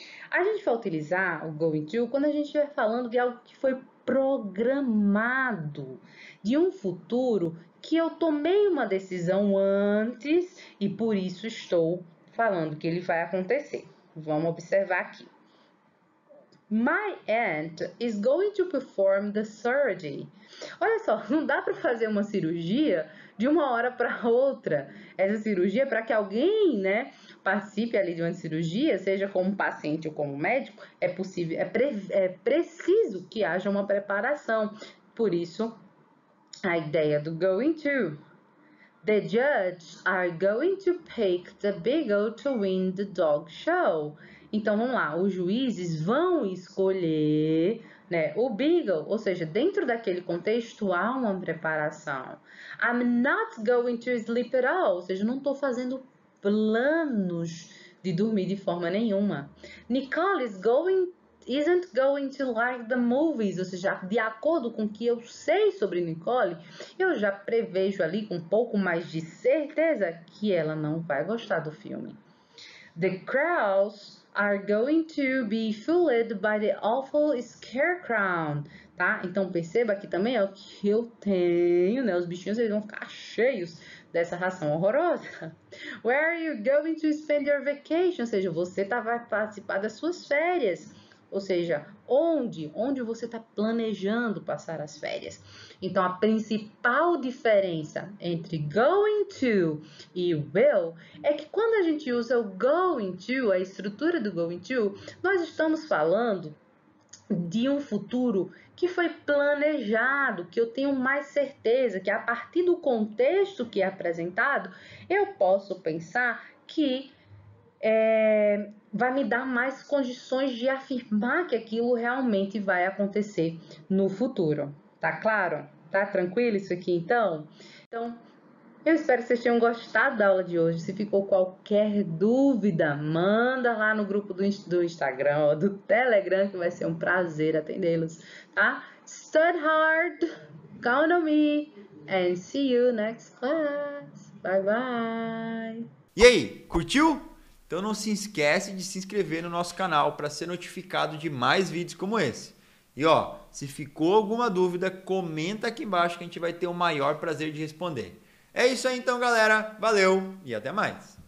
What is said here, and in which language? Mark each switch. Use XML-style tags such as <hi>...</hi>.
<pt>A gente vai utilizar o going to quando a gente estiver falando de algo que foi programado, de um futuro que eu tomei uma decisão antes e por isso estou falando que ele vai acontecer. Vamos observar aqui.</pt> <en>My aunt is going to perform the surgery.</en> <pt>Olha só, não dá para fazer uma cirurgia de uma hora para outra. Essa cirurgia é para que alguém, né, participe ali de uma cirurgia, seja como paciente ou como médico, é possível, é preciso que haja uma preparação. Por isso, a ideia do going to.</pt> <en>The judge are going to pick the beagle to win the dog show.</en> <pt>Então, vamos lá, os juízes vão escolher, né, o beagle, ou seja, dentro daquele contexto há uma preparação.</pt> <en>I'm not going to sleep at all,</en> <pt>ou seja, não estou fazendo planos de dormir de forma nenhuma.</pt> <en>Nicole isn't going to like the movies,</en> <pt>ou seja, de acordo com o que eu sei sobre Nicole, eu já prevejo ali com um pouco mais de certeza que ela não vai gostar do filme.</pt> <en>The crowds are going to be fooled by the awful scarecrow, tá?</en> <pt>Então perceba aqui também, ó, que eu tenho, né? Os bichinhos, eles vão ficar cheios dessa ração horrorosa.</pt> <en>Where are you going to spend your vacation?</en> <pt>Ou seja, você vai participar das suas férias. Ou seja, onde você está planejando passar as férias? Então, a principal diferença entre going to e will é que quando a gente usa o going to, a estrutura do going to, nós estamos falando de um futuro que foi planejado, que eu tenho mais certeza que a partir do contexto que é apresentado, eu posso pensar que vai me dar mais condições de afirmar que aquilo realmente vai acontecer no futuro. Tá claro? Tá tranquilo isso aqui então? Então, eu espero que vocês tenham gostado da aula de hoje. Se ficou qualquer dúvida, manda lá no grupo do Instagram ou do Telegram, que vai ser um prazer atendê-los, tá?</pt> <en>Study hard, count on me, and see you next class. Bye bye!</en> <pt>E aí, curtiu? Então não se esquece de se inscrever no nosso canal para ser notificado de mais vídeos como esse. E ó, se ficou alguma dúvida, comenta aqui embaixo que a gente vai ter o maior prazer de responder. É isso aí então, galera. Valeu e até mais.</pt>